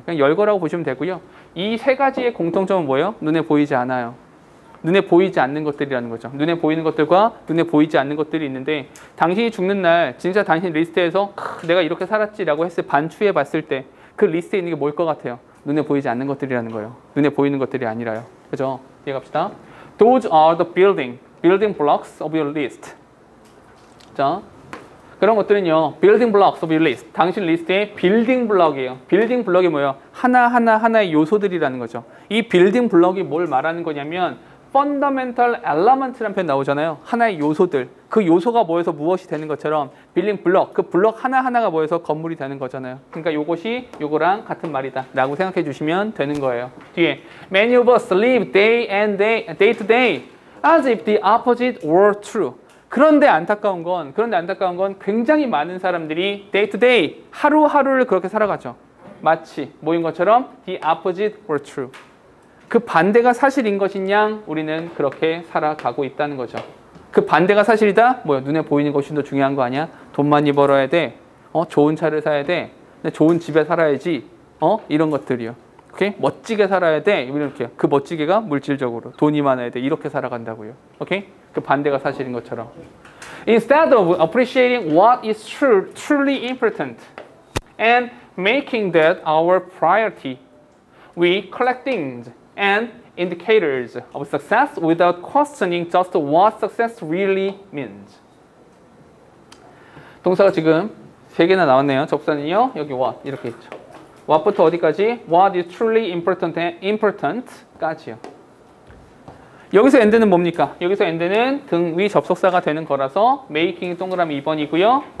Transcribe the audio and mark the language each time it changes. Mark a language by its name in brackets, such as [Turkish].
[Korean] 그냥 열거라고 보시면 되고요. 이 세 가지의 공통점은 뭐예요? 눈에 보이지 않아요. 눈에 보이지 않는 것들이라는 거죠. 눈에 보이는 것들과 눈에 보이지 않는 것들이 있는데 당신이 죽는 날 진짜 당신 리스트에서 내가 이렇게 살았지라고 했을 반추해 봤을 때 그 리스트에 있는 게 뭘 것 같아요? 눈에 보이지 않는 것들이라는 거예요. 눈에 보이는 것들이 아니라요. 그죠? 이해 갑시다. [English] Those are the building blocks of your list. [Korean] 자, 그런 것들은요. [English] Building blocks of your list. [Korean] 당신 리스트의 빌딩 블럭이에요. 빌딩 블럭이 뭐예요? 하나하나의 요소들이라는 거죠. 이 빌딩 블럭이 뭘 말하는 거냐면 fundamental element란 표현 나오잖아요. 하나의 요소들. 그 요소가 모여서 무엇이 되는 것처럼 빌딩 블럭, 그 블럭 하나하나가 모여서 건물이 되는 거잖아요. 그러니까 이것이 이거랑 같은 말이다 라고 생각해 주시면 되는 거예요. 뒤에 [English] many of us live day to day as if the opposite were true. [Korean] 그런데 안타까운 건, 굉장히 많은 사람들이 day to day, 하루하루를 그렇게 살아가죠. 마치 모인 것처럼 [English] the opposite were true. [Korean] 그 반대가 사실인 것이냐? 우리는 그렇게 살아가고 있다는 거죠. 그 반대가 사실이다? 뭐야, 눈에 보이는 것이 더 중요한 거 아니야? 돈 많이 벌어야 돼? 어? 좋은 차를 사야 돼? 근데 좋은 집에 살아야지? 어? 이런 것들이요. 오케이? 멋지게 살아야 돼? 이렇게. 그 멋지게가 물질적으로. 돈이 많아야 돼. 이렇게 살아간다고요. 오케이? 그 반대가 사실인 것처럼. [English] Instead of appreciating what is truly important and making that our priority, we collect things and indicators of success without questioning just what success really means. [Korean] 동사가 지금 세 개나 나왔네요. 접사는요. 여기 what 이렇게 있죠. what부터 어디까지? [English] what is truly important and important [Korean] 까지요. 여기서 end는 뭡니까? 여기서 end는 등위 접속사가 되는 거라서 making이 동그라미 2번이고요.